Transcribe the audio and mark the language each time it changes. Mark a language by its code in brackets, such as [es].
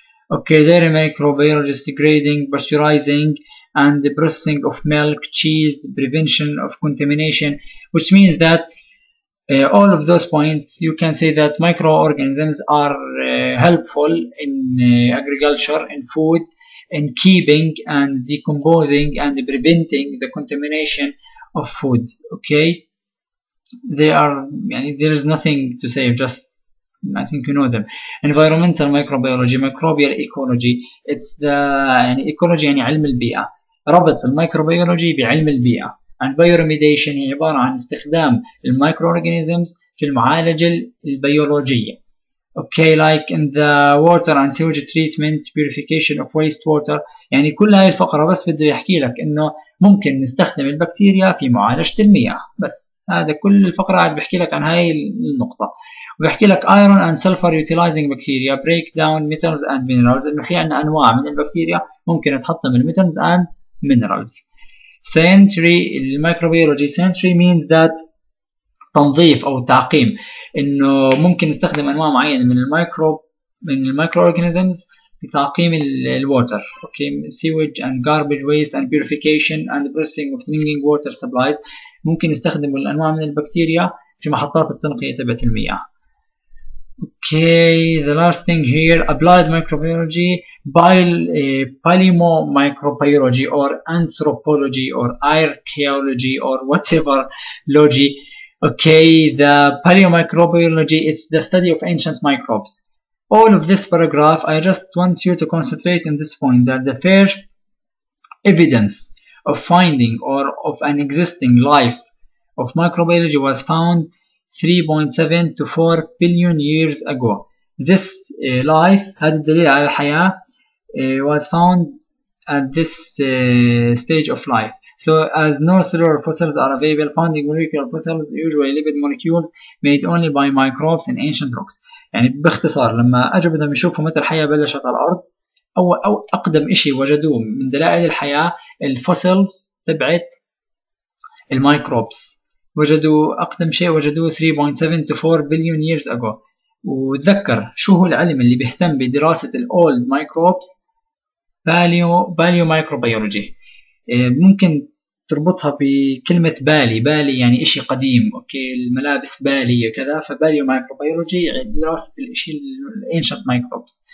[en] Okay, dairy microbiologist, grading, pasteurizing, and the processing of milk, cheese, prevention of contamination, which means that all of those points, you can say that microorganisms are helpful in agriculture, in food, in keeping and decomposing and preventing the contamination of food. Okay, they are, there is nothing to say, just I think you know them. Environmental microbiology, microbial ecology, it's the ecology, [ar] يعني علم البيئة. ربط الميكروبيولوجي بعلم البيئة. [en] And bioremediation [ar] هي عبارة عن استخدام الميكروorganisms في المعالجة البيولوجية. [en] Okay, like in the water and sewage treatment, purification of wastewater. [ar] يعني كل هاي الفقرة بس بده يحكي لك إنه ممكن نستخدم البكتيريا في معالجة المياه. بس هذا كل الفقرة عاد بحكي لك عن هاي النقطة. وبحكي لك [en] iron and sulfur utilizing bacteria break down metals and minerals. [ar] إنه في عنا أنواع من البكتيريا ممكن تحطم الميتالز [en] and minerals. Sanitary microbiology, sanitary means that [ar] تنظيف أو تعقيم, إنه ممكن نستخدم أنواع معينة من الميكروorganisms لتعقيم الwater. [en] Okay, sewage and garbage waste and purification and processing of drinking water supplies. [ar] ممكن نستخدم الأنواع من البكتيريا في محطات التنقية تبعت المياه. [en] Okay, the last thing here, applied microbiology, polymicrobiology or anthropology or archaeology or whatever logy. Okay, the polymicrobiology, it's the study of ancient microbes. All of this paragraph, I just want you to concentrate in this point that the first evidence of finding or of an existing life of microbiology was found 3.7 to 4 billion years ago. This life, [ar] هذا الدليل على الحياة, [en] was found at this stage of life. So as no cellular fossils are available, finding molecular fossils, usually lipid molecules made only by microbes in ancient rocks. [ar] يعني باختصار لما اجوا بدهم يشوفوا متى الحياة بلشت على الأرض, أو أقدم إشي وجدوه من دلائل الحياة الفوسيلز تبعت الميكروبس. وجدوا أقدم شيء وجدوه [en] 3.7 to 4 billion years ago. [ar] وتذكر شو هو العلم اللي بيهتم بدراسة الـ [en] old microbes, paleo microbiology. [ar] ممكن تربطها بكلمة بالي, بالي يعني إشي قديم, أوكي, الملابس بالي وكذا, فباليو مايكروبيولوجي دراسة الإشي الـ [en] ancient microbes.